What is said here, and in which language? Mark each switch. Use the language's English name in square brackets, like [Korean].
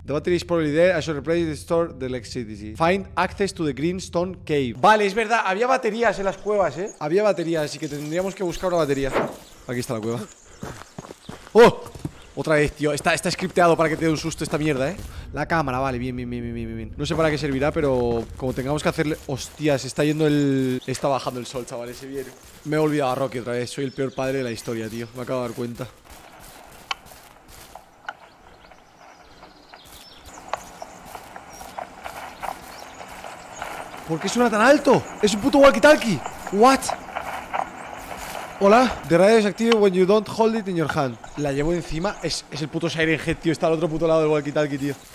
[English] The battery is probably there. I should replace the store the electricity. Find access to the greenstone cave. [Spanish] Vale, es verdad. Había baterías en las cuevas, ¿eh? Había baterías, así que tendríamos que buscar una batería. Aquí está la cueva. ¡Oh! Otra vez, tío. Está scripteado para que te dé un susto esta mierda, ¿eh? La cámara, vale. Bien. No sé para qué servirá, pero como tengamos que hacerle... Hostias, está yendo el... Está bajando el sol, chavales. Se viene. Me he olvidado a Rocky otra vez. Soy el peor padre de la historia, tío. Me acabo de dar cuenta. ¿Por qué suena tan alto? ¡Es un puto walkie-talkie! ¿What? [English] Hola, the radio is active when you don't hold it in your hand. [Spanish] La llevo encima, es el puto Siren Head, tío. Está al otro puto lado del walkie-talkie, tío.